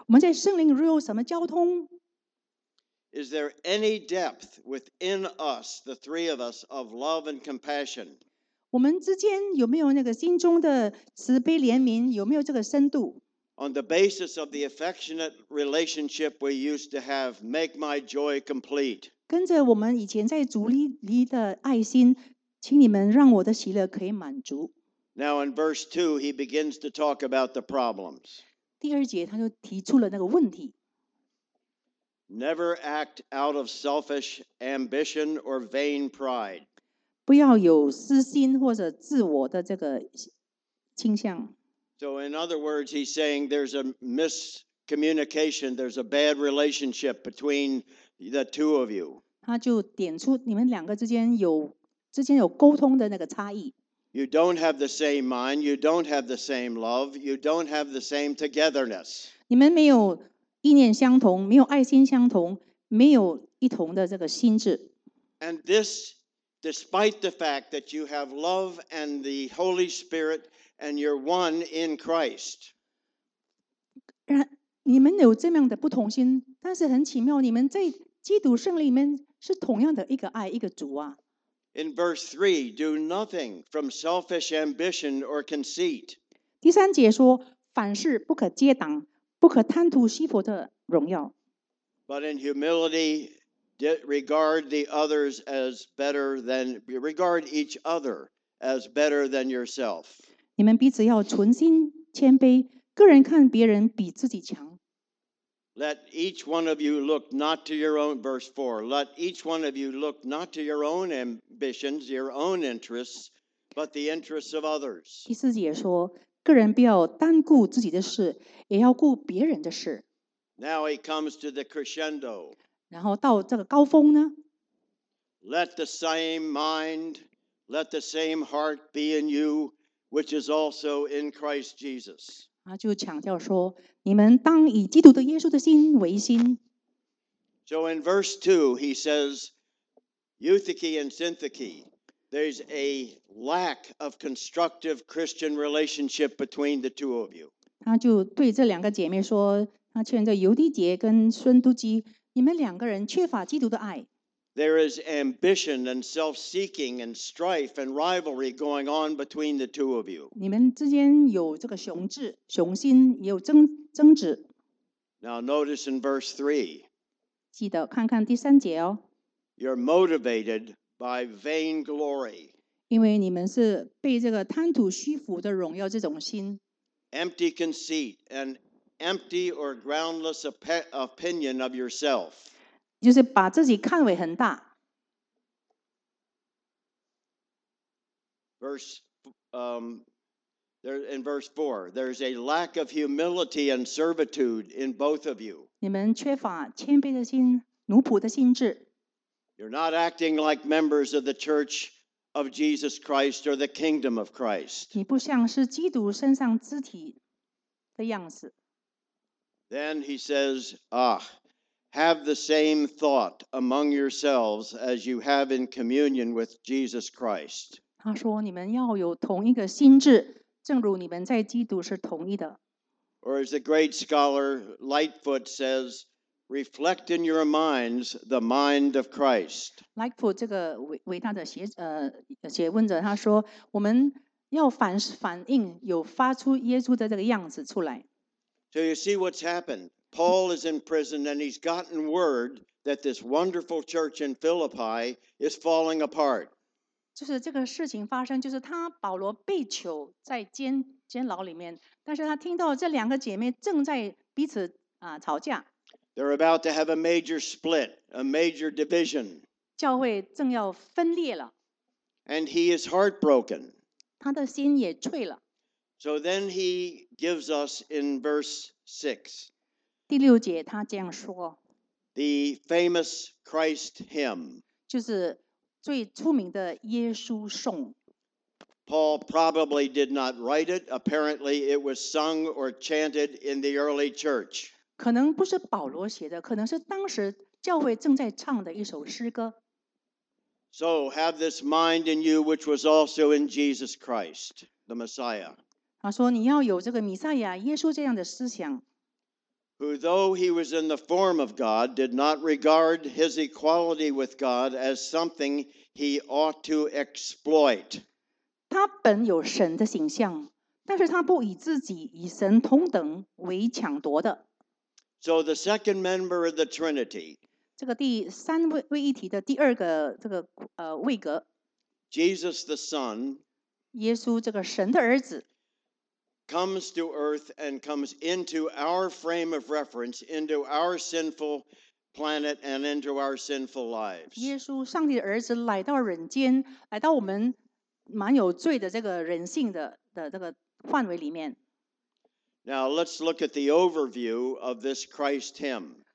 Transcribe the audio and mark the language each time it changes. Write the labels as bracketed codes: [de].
[zh] 我们在圣灵里有什么交通 [en] ？Is there any depth within us, the three of us, of love and compassion? [zh] 我们之间有没有那个心中的慈悲怜悯？有没有这个深度？ [en] On the basis of the affectionate relationship we used to have, make my joy complete. [zh] 跟着我们以前在主里的爱心，请你们让我的喜乐可以满足。 [en] Now in verse 2, he begins to talk about the problems. [zh] 第二节他就提出了那个问题。 [en] Never act out of selfish ambition or vain pride. [zh] 不要有私心或者自我的这个倾向。 [en] So in other words, he's saying there's a miscommunication, there's a bad relationship between the two of you. [zh] 他就点出你们两个之间有沟通的那个差异。 [en] You don't have the same mind, you don't have the same love, you don't have the same togetherness. [zh] 你们没有意念相同，没有爱心相同，没有一同的这个心智。 [en] And this, despite the fact that you have love and the Holy Spirit, And you're one in Christ. [zh] 你们有这样的不同心，但是很奇妙，你们在基督圣灵里面是同样的一个爱，一个主啊。 [en] In verse 3, do nothing from selfish ambition or conceit. [zh] 第三节说，凡事不可结党，不可贪图虚浮的荣耀。 [en] But in humility, regard each other as better than yourself. [zh] 你们彼此要存心谦卑，个人看别人比自己强。 [en] Let each one of you look not to your own, verse 4, let each one of you look not to your own ambitions, your own interests, but the interests of others. [zh] 第四节说，个人不要单顾自己的事，也要顾别人的事。 [en] Now he comes to the crescendo. [zh] 然后到这个高峰呢？ [en] Let the same mind, let the same heart be in you, which is also in Christ Jesus. [zh] 就强调说，你们当以基督的耶稣的心为心。 [en] So in verse 2, he says, Eutyche and Syntyche, there's a lack of constructive Christian relationship between the two of you. [zh] 他就对这两个姐妹说，他劝着尤迪杰跟孙都基，你们两个人缺乏基督的爱。 [en] There is ambition and self-seeking and strife and rivalry going on between the two of you. [zh] 你们之间有这个雄志、雄心，也有争执。 [en] Now notice in verse 3. [zh] 记得看看第三节哦。 [en] You're motivated by vain glory. [zh] 因为你们是被这个贪图虚浮的荣耀这种心。 [en] Empty conceit and empty or groundless opinion of yourself. [zh] 就是把自己看为很大。 [en] In verse 4, there's a lack of humility and servitude in both of you. [zh] 你们缺乏谦卑的心，奴仆的心智。 [en] You're not acting like members of the Church of Jesus Christ or the Kingdom of Christ. [zh] 你不像是基督身上肢体的样子。 [en] Then he says, Have the same thought among yourselves as you have in communion with Jesus Christ. [zh] 他说你们要有同一个心智，正如你们在基督是同一的。 [en] Or as the great scholar Lightfoot says, reflect in your minds the mind of Christ. [zh] Lightfoot 这个伟大的学问者他说，我们要反映有发出耶稣的这个样子出来。 [en] So you see what's happened. Paul is in prison and he's gotten word that this wonderful church in Philippi is falling apart. [zh] 就是这个事情发生，就是他保罗被囚在监牢里面，但是他听到这两个姐妹正在彼此吵架。 [en] They're about to have a major split, a major division. [zh] 教会正要分裂了。 [en] And he is heartbroken. [zh] 他的心也脆了。 [en] So then he gives us in verse 6. [zh] 第六节他这样说 [en] The famous Christ hymn [zh] 就是最出名的耶稣颂 [en] Paul probably did not write it. Apparently it was sung or chanted in the early church. [zh] 可能不是保罗写的，可能是当时教会正在唱的一首诗歌。 [en] So have this mind in you which was also in Jesus Christ, the Messiah. [zh] 他说你要有这个弥赛亚耶稣这样的思想。 [en] Who, though he was in the form of God, did not regard his equality with God as something he ought to exploit. [zh] 他本有神的形象，但是他不以自己与神同等为抢夺的。 [en] So the second member of the Trinity, [zh] 这个第三位一体的第二个这个位格 [en] ，Jesus the Son, [zh] 耶稣这个神的儿子。 [en] Comes to earth and comes into our frame of reference, into our sinful planet and into our sinful lives. [zh] 耶稣，上帝的儿子来到人间，来到我们满有罪的这个人性的这个范围里面。 [en] Now let's look at the overview of this Christ hymn.